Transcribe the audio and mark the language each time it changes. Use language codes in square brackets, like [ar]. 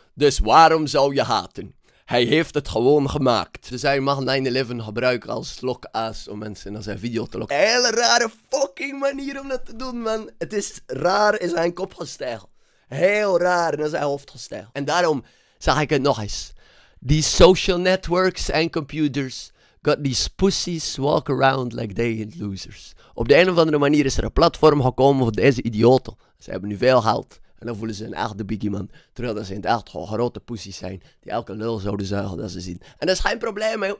[nl] Dus waarom zou je haten? Hij heeft het gewoon gemaakt. Dus hij mag 9-11 gebruiken als lokaas om mensen naar zijn video te lokken. Hele rare fucking manier om dat te doen, man. Het is raar in zijn kop gestegen. Heel raar in zijn hoofd gestegen. En daarom zag ik het nog eens. [en] These social networks and computers got these pussies walk around like they ain't losers. [nl] Op de een of andere manier is er een platform gekomen voor deze idioten. Ze hebben nu veel geld. En dan voelen ze een echte biggie man. Terwijl ze in het echt gewoon grote pussies zijn. Die elke lul zouden zuigen dat ze zien. En dat is geen probleem, man.